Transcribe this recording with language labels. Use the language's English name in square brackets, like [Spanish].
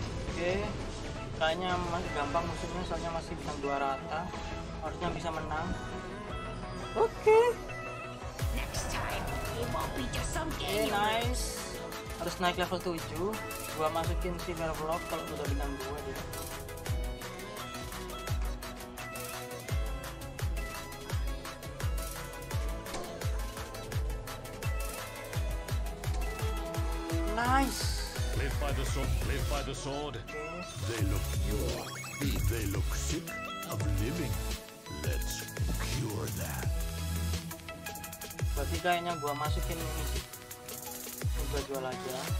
[Indonesian] Oke, kayaknya masih gampang musuhnya, soalnya masih bisa dua rata, harusnya bisa menang. Oke. [English] Next time, it won't be just some game. Nice. [Indonesian] Harus naik level 7. Gua masukin si Merlock kalau udah bintang 2 dia. [English] Nice. Live by the sword. Okay. They look pure. They look sick of living. Let's cure that. [Indonesian] Berarti kayaknya gua masukin ini sih. Gua jual aja.